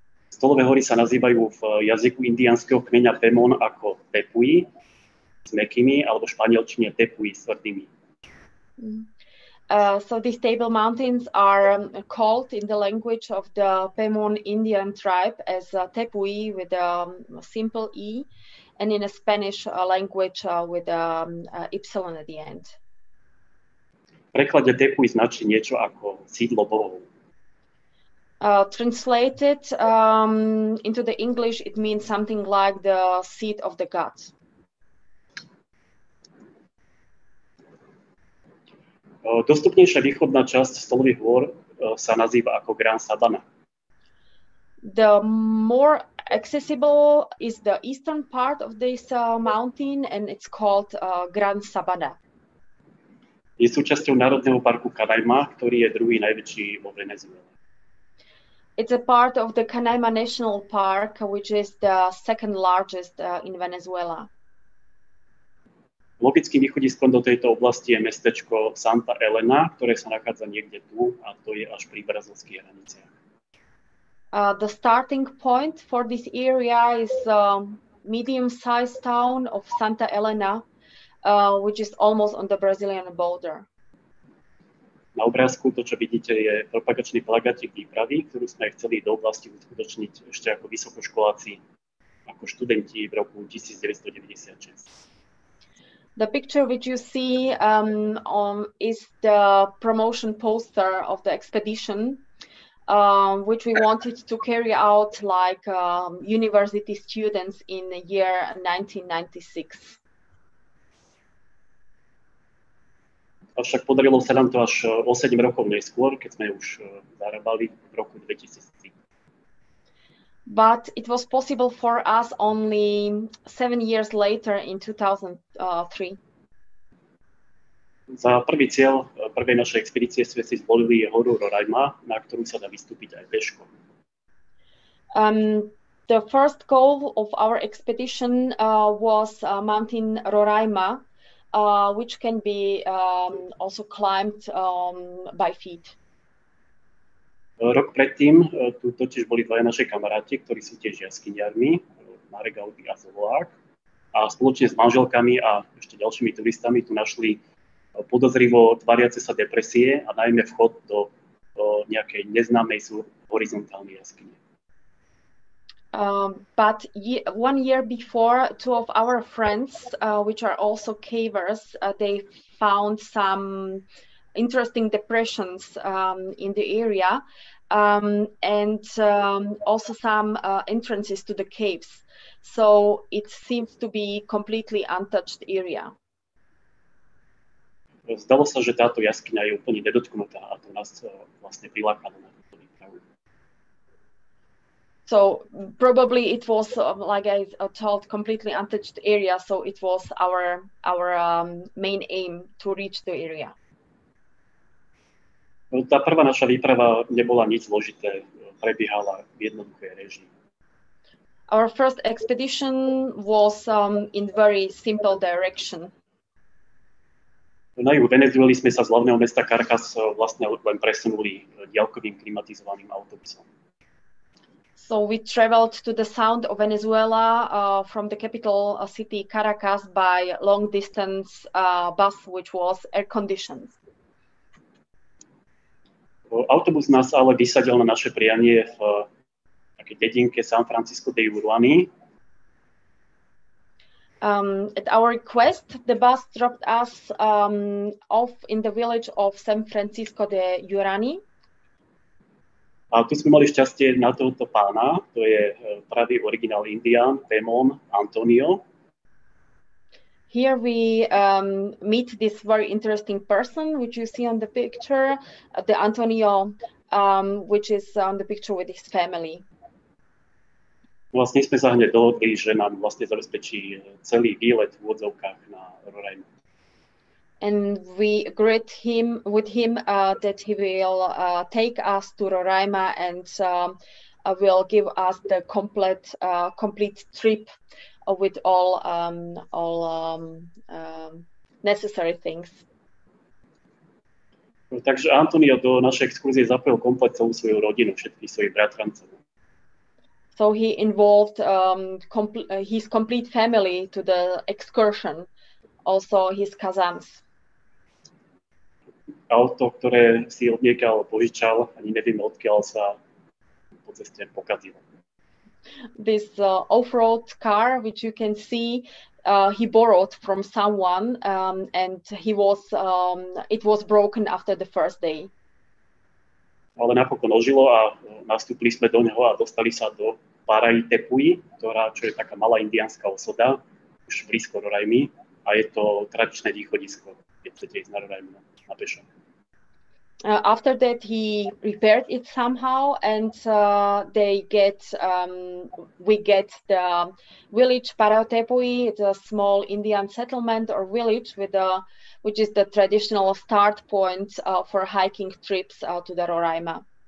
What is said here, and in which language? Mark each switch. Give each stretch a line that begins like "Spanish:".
Slovak: Stolové hory sa nazývajú v jazyku indianského kmeňa Pemon ako Tepui s mekými, alebo španielčine Tepui s tvrdými.
English: So these table mountains are called in the language of the Pemon Indian tribe as Tepui with a simple E, and in a Spanish language with a Y at the end.
Slovak: V preklade Tepui značí niečo ako sídlo bohov.
English: Translated into the English, it means something like the seat of the gods.
Slovak: Dostupnejšia východná časť stolových hôr sa nazýva ako Gran Sabana.
English: The more accessible is the eastern part of this mountain and it's called Gran Sabana.
Slovak: Je súčasťou národného parku Canaima, ktorý je druhý najväčší vo Venezuele.
English: It's a part of the Canaima National Park, which is the second largest in Venezuela.
Slovak: Logickým východiskom do tejto oblasti je mestečko Santa Elena, ktoré sa nachádza niekde tu, a to je až pri brazilských hraniciach.
English: The starting point for this area is a medium-sized town of Santa Elena, which is almost on the Brazilian border.
Slovak: Na obrázku to, čo vidíte, je propagačný plagátik výpravy, ktorú sme chceli do oblasti uskutočniť ešte ako vysokoškoláci, ako študenti v roku 1996.
English: The picture which you see is the promotion poster of the expedition, which we wanted to carry out like university students in the year 1996.
Slovak: Avšak podarilo sa nám to až o 7 rokov neskôr, keď sme už zarábali v roku 2003.
English: But it was possible for us only 7 years later in 2003.
Slovak: Za prvý cieľ prvej našej expedície sme si zvolili horu Roraima, na ktorú sa dá vystúpiť aj peško.
English: The first goal of our expedition was mountain Roraima, which can be also climbed by feet.
Slovak: Rok predtým tu totiž boli dvaja naše kamaráti, ktorí sú tiež jaskyniarmi, Marek Alby a Slovak, a spoločne s manželkami a ešte ďalšími turistami tu našli podozrivo tvariace sa depresie a najmä vchod do nejakej neznámej horizontálnej jaskyne.
English: But one year before, two of our friends, which are also cavers, they found some interesting depressions in the area and also some entrances to the caves. So it seems to be completely untouched area.
Slovak: Zdalo sa, že táto jaskyňa je úplne nedotknutá a to nás vlastne prilákalo na túto výpravu.
English: So probably it was like I told completely untouched area, so it was our main aim to reach the area.
Slovak: No, tá prvá naša výprava nebola nič zložité, prebiehala v jednoduchej režii.
English: Our first expedition was in very simple direction.
Slovak: Na juhu Venezueli sme sa z hlavného mesta Caracas vlastne len presunuli diaľkovým klimatizovaným autobusom.
English: So we traveled to the south of Venezuela from the capital city Caracas by long distance bus which was air conditioned.
Slovak: Autobus nás ale vysadil na naše prianie v takej dedinke San Francisco de Uruani.
English: At our request, the bus dropped us off in the village of San Francisco de Urani.
Slovak: A tu sme mali šťastie na tohto pána, to je pravý originál Indián, Pemón Antonio.
English: Here we meet this very interesting person, which you see on the picture, the Antonio, which is on the picture with his family.
Slovak: Vlastne sme zahne dohodli, že nám vlastne zabezpečí celý výlet v odzovkách na Roraima.
English: And we agreed him with him that he will take us to Roraima and will give us the complete trip with all necessary things.
Slovak: Takže Antonio do našej exkurzie zapojil komplet celú svoju rodinu, všetkých svojich bratrancov.
English: So he involved his complete family to the excursion, also his cousins.
Slovak: Auto, ktoré si odniekal, požičal, ani neviem odkiaľ, sa po ceste pokazilo.
English: This off-road car, which you can see, he borrowed from someone, and he was it was broken after the first day.
Slovak: Ale napokon ožilo a nastúpili sme do neho a dostali sa do Parai Tepui, ktorá, čo je taká malá indiánska osada, už blízko Roraimy, a je to tradičné východisko, keď chcete ísť na Roraimu na pešo.
English: After that, he repaired it somehow, and we get the village Parai Tepui, the small Indian settlement or village, which is the traditional start point for hiking trips to the Roraima.